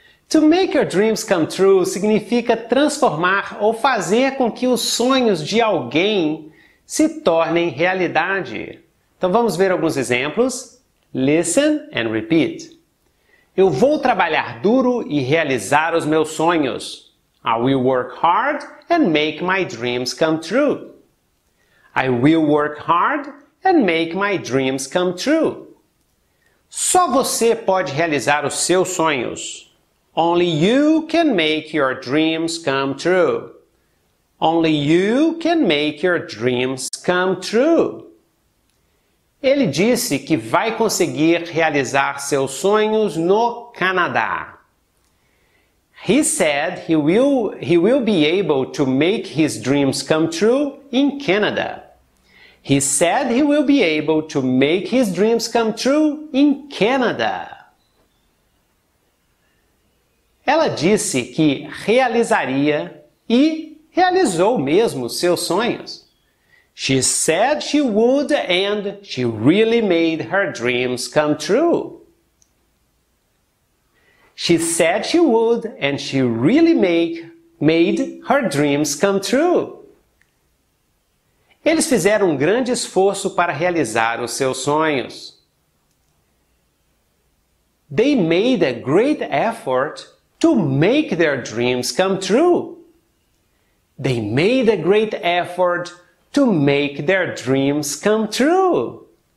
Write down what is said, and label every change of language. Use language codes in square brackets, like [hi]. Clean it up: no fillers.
[en] To make your dreams come true [pt] significa transformar ou fazer com que os sonhos de alguém se tornem realidade. Então vamos ver alguns exemplos. [en] Listen and repeat. [pt] Eu vou trabalhar duro e realizar os meus sonhos. [en] I will work hard and make my dreams come true. I will work hard and make my dreams come true. [pt] Só você pode realizar os seus sonhos. [en] Only you can make your dreams come true. Only you can make your dreams come true. [pt] Ele disse que vai conseguir realizar seus sonhos no Canadá. [en] He said he will be able to make his dreams come true in Canada. He said he will be able to make his dreams come true in Canada. [pt] Ela disse que realizaria e realizou mesmo seus sonhos. [en] She said she would and she really made her dreams come true. She said she would and she really made her dreams come true. [pt] Eles fizeram um grande esforço para realizar os seus sonhos. [en] They made a great effort to make their dreams come true. They made a great effort to make their dreams come true.